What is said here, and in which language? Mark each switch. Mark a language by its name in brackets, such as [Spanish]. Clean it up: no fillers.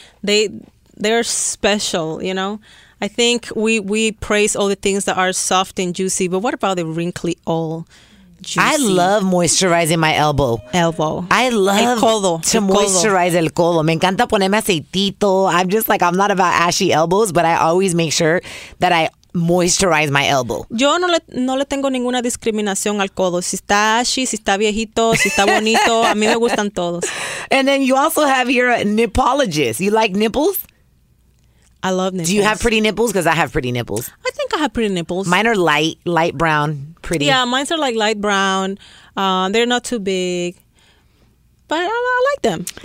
[English] They're special, you know? I think we praise all the things that are soft and juicy. But what about the wrinkly old juicy? I love moisturizing my elbow. Elbow. I love [Spanish] el codo. [English] To moisturize [Spanish] el codo. Me encanta ponerme aceitito. [English] I'm just like, I'm not about ashy elbows, but I always make sure that I moisturize my elbow. [Spanish] Yo no le tengo ninguna discriminación al codo. Si está ashy, si está viejito, si está bonito, a mí me gustan todos. [English] And then you also have your nippologist. You like nipples? I love nipples. Do you have pretty nipples? Because I have pretty nipples. I think I have pretty nipples. Mine are light brown, pretty. Yeah, mine are like light brown. They're not too big. But I like them.